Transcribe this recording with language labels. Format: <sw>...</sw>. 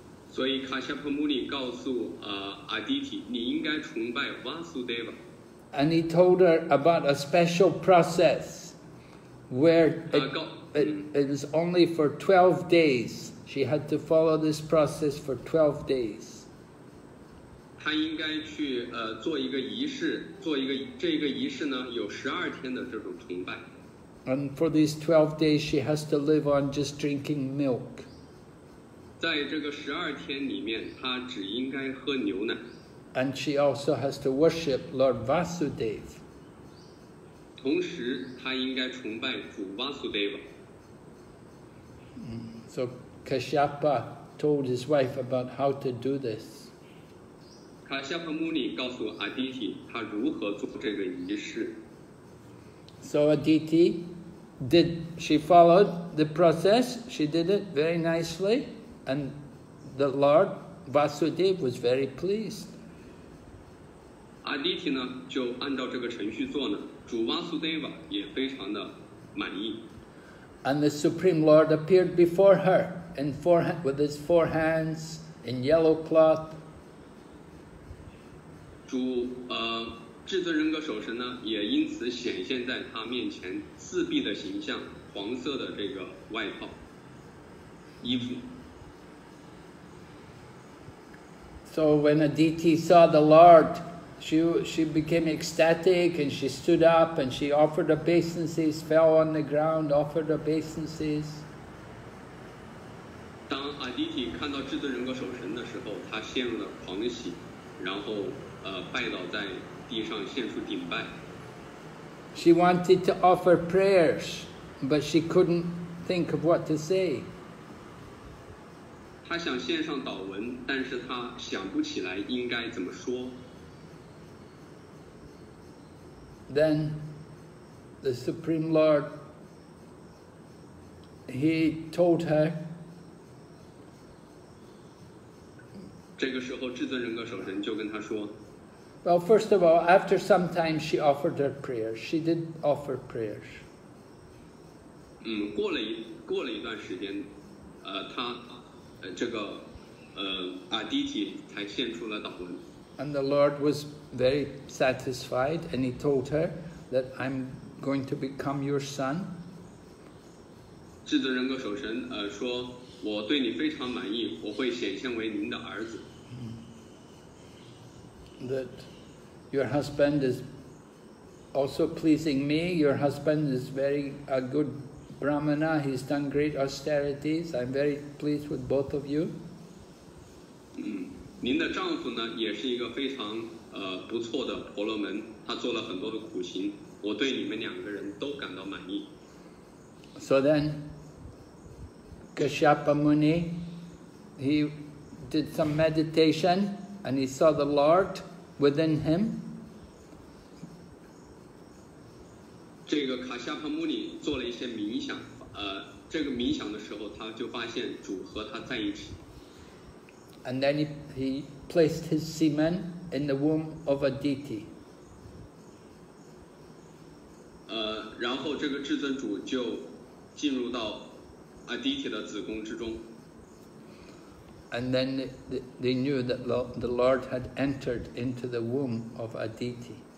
<zh>所以卡夏帕穆尼告诉Aditi, 你应该崇拜 Vasudeva.</zh> <en>And he told her about a special process. Where it was only for 12 days. She had to follow this process for 12 days.</en> <zh>她应该去做一个仪式，做一个这个仪式呢，有12天的这种崇拜。</zh> <en>And for these 12 days, she has to live on just drinking milk.</en> <zh>在这个十二天里面，她只应该喝牛奶。</zh> <en>And she also has to worship Lord Vasudev.</en> <zh>同时他应该崇拜主 Vasudeva.</zh> <en>So Kashyapa told his wife about how to do this.</en> <zh>Kashyapa Muni 告诉 Aditi 他如何做这个仪式。</zh> <en>So Aditi, did she followed the process? She did it very nicely, and the Lord Vasudeva was very pleased.</en> <zh>Aditi 呢就按照这个程序做呢，主 Vasudeva 也非常的满意。</zh> <en>And the Supreme Lord appeared before her in four, with his four hands in yellow cloth.</en> <zh>主至尊人格首神呢，也因此显现在他面前，自闭的形象，黄色的这个外套衣服。</zh> <en>So when Aditi saw the Lord, she became ecstatic and she stood up and she offered obeisances, fell on the ground, offered obeisances.</en> <zh>当 Aditi 看到至尊人格首神的时候，他陷入了狂喜，然后拜倒在地上，献出顶拜。</zh> <en>She wanted to offer prayers, but she couldn't think of what to say.</en> <zh>他想献上祷文，但是他想不起来应该怎么说。</zh> <en>Then the Supreme Lord, he told her.</en> <zh>这个时候，至尊人格首神就跟他说。</zh> <en>Well, first of all, after some time, she offered her prayers. She did offer prayers.</en> <zh>过了一段时间，他。这个Aditi 才献出了祷文。</zh> <en>And the Lord was very satisfied, and he told her that I'm going to become your son.</en> <zh>至尊人格首神说，我对你非常满意，我会显现为您的儿子。</zh> <en>That your husband is also pleasing me. Your husband is very a good. Brahmana, he's done great austerities. I'm very pleased with both of you.</en> <zh>您的丈夫呢，也是一个非常不错的婆罗门。他做了很多的苦行，我对你们两个人都感到满意。</zh> <en>So then, Kashyapa Muni, he did some meditation and he saw the Lord within him.</en> <zh>这个卡夏帕穆尼做了一些冥想，这个冥想的时候，他就发现主和他在一起。</zh> <en>And then he placed his semen in the womb of Aditi.</en> <zh>然后这个至尊主就进入到 Aditi 的子宫之中。</zh> <en>And then they knew that the Lord had entered into the womb of Aditi.</en>